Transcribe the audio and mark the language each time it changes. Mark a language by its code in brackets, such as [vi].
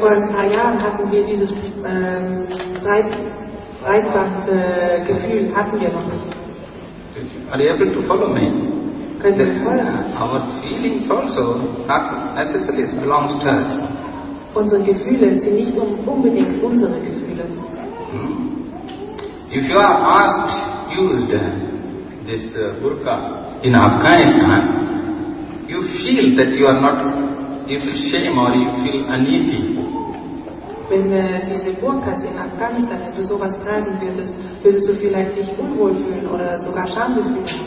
[de] Vor ein paar Jahren hatten wir dieses Breitbandgefühl, hatten wir noch nicht. [en] Are you able to follow me? [de] Könnt ihr folgen? [en] Our feelings also not necessarily belong to us. [de] Unsere Gefühle sind nicht unbedingt unsere Gefühle. [en] If you are asked, used this burqa in Afghanistan, you feel that you are not. You feel shame or you feel uneasy. [de] Wenn diese Burkas in Afghanistan, wenn du sowas tragen würdest, würdest du vielleicht dich unwohl fühlen oder sogar Scham fühlen.